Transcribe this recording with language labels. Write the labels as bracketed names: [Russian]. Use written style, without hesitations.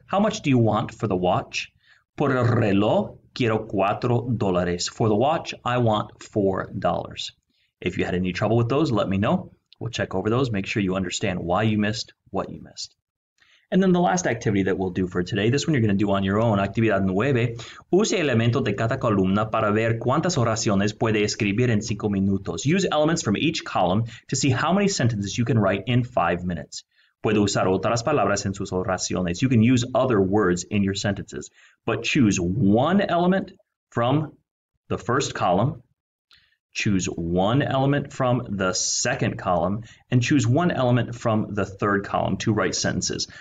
[English] How much do you want for the watch? [Spanish] Por el reloj, quiero $4. [English] For the watch, I want $4. If you had any trouble with those, let me know. We'll check over those, make sure you understand why you missed what you missed. And then the last activity that we'll do for today, this one you're going to do on your own, actividad 9. [Spanish] Use elementos de cada columna para ver cuántas oraciones puede escribir en 5 minutos. [English] Use elements from each column to see how many sentences you can write in 5 minutes. [Spanish] Puede usar otras palabras en sus oraciones. [English] You can use other words in your sentences. But choose one element from the first column. Choose one element from the second column and choose one element from the third column to write sentences.